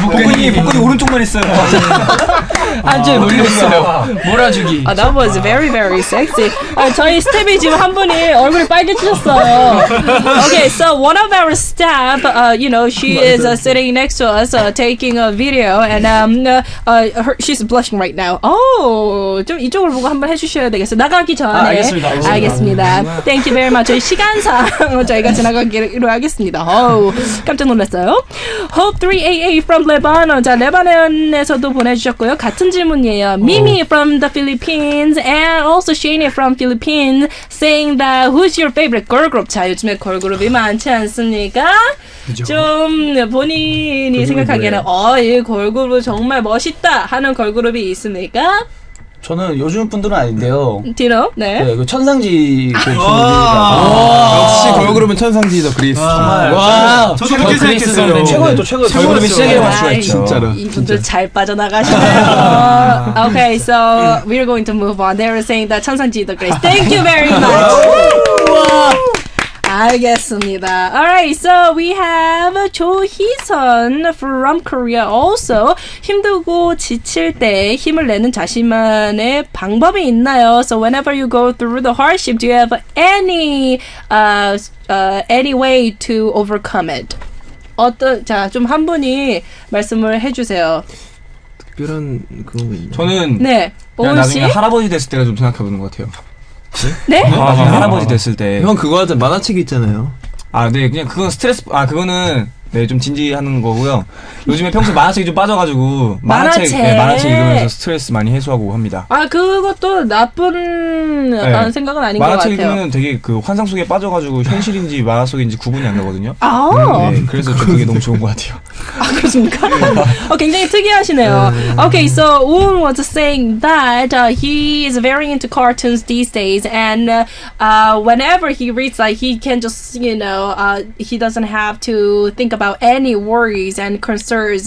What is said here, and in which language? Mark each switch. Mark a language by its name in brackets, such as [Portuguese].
[Korean] 복근이 오른쪽만 했어요. 한쪽에 놀렸어요. 몰아주기. [English] That was very very sexy. [Korean] 저희 스텝이 지금 한 분이 얼굴이 빨개지셨어요. [English] Okay, so one of our staff, you know, she is sitting next to us taking a video and she's blushing right now. [Korean] Oh, 좀 이쪽을 보고 한번 해주셔야 되겠어요. 나가기 전에. 알겠습니다. [English] Thank you very much. [Korean] 저희 시간상 저희가 지나가기로 하겠습니다. 깜짝 놀랐어요. Hope3AA from Lebanon. 자, 레바논에서도 보내주셨고요. 같은 질문이에요. [English] Mimi from the Philippines and also Shane from Philippines saying that who's your favorite girl group? [Korean] 자, 요즘에 걸그룹이 많지 않습니까? 그죠. 좀 본인이 생각하기에는 이 걸그룹 정말 멋있다 하는 걸그룹이 있습니까? 저는 요즘 분들은 아닌데요. 디노? 네. 네, 그 천상지 그 역시 걸그룹은 천상지 더 그리스. 와. 저도 그렇게 생각했어요. 최고예요. 최고. 걸그룹이 시작해 봤어요. 진짜로. 이분들 잘 빠져나가시네요. [English] Okay, so we're going to move on. They're saying that 천상지 더 그리스. Thank you very much. [Korean] 알겠습니다. [English] Alright, so we have 조희선 from Korea also. [Korean] 힘들고 지칠 때 힘을 내는 자신만의 방법이 있나요? [English] So whenever you go through the hardship, do you have any way to overcome it? [Korean] 자, 좀 한 분이 말씀을 해주세요. 특별한 그런 거 있나요? 저는 네, 나중에 할아버지 됐을 때가 좀 생각해보는 것 같아요. 네? 네? 나중에 할아버지 됐을 때 형 그거 하던 만화책 있잖아요. 아 네 그냥 그건 스트레스. 아 그거는 네 좀 진지하는 거고요. 요즘에 평소 만화책이 좀 빠져가지고 만화책 네, 만화책 읽으면서 스트레스 많이 해소하고 합니다. 아 그것도 나쁜 네. 생각은 아닌 것 같아요. 만화책 읽으면 되게 그 환상 속에 빠져가지고 현실인지 만화 속인지 구분이 안 나거든요. 아 네, 그래서 그게 너무 좋은 것 같아요. 아, 그렇습니까? 어, 굉장히 특이하시네요. 네. [English] Okay, so Woon was saying that he is very into cartoons these days, and whenever he reads, like, he can just, you know, he doesn't have to think about any worries and concerns.